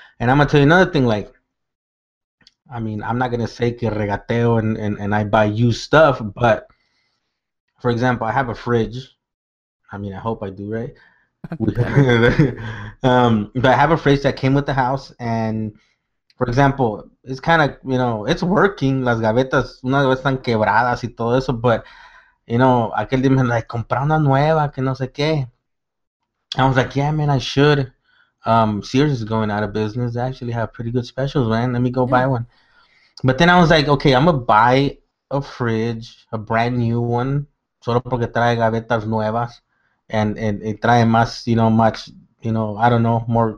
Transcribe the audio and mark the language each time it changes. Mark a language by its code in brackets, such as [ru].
[en] And I'm gonna tell you another thing, like, I mean, I'm not gonna say que regateo and I buy you stuff, but for example, I have a fridge. I mean, I hope I do, right? But Okay. I have a fridge that came with the house, and for example, it's kind of, it's working. [es] Las gavetas, una vez están quebradas y todo eso, but aquel día me like, compra una nueva, que no sé qué. [en] I was like, yeah, man, I should. Sears is going out of business. They actually have pretty good specials, man. Let me go buy Yeah. one. But then I was like, okay, I'm gonna buy a fridge, a brand new one, solo porque trae gavetas nuevas, and it trae más, much, I don't know, more.